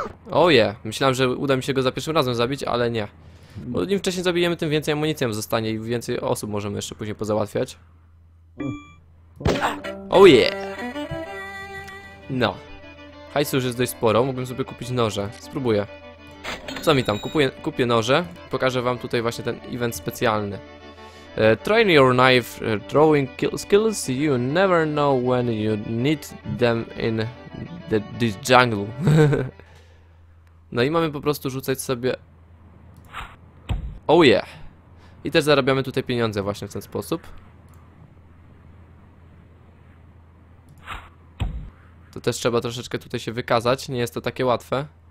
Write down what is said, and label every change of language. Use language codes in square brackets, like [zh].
[pl] Oje, myślałem, że uda mi się go za pierwszym razem zabić, ale nie. Bo im wcześniej zabijemy, tym więcej amunicji zostanie i więcej osób możemy jeszcze później pozałatwiać. Oje! No. Hajsu już jest dość sporo, mógłbym sobie kupić noże. Spróbuję. Co mi tam, kupię noże. Pokażę wam tutaj właśnie ten event specjalny. [en] Train your knife drawing skills. You never know when you need them in this jungle. [pl] No i mamy po prostu rzucać sobie. Oh yeah. I też zarabiamy tutaj pieniądze właśnie w ten sposób. To też trzeba troszeczkę tutaj się wykazać. Nie jest to takie łatwe.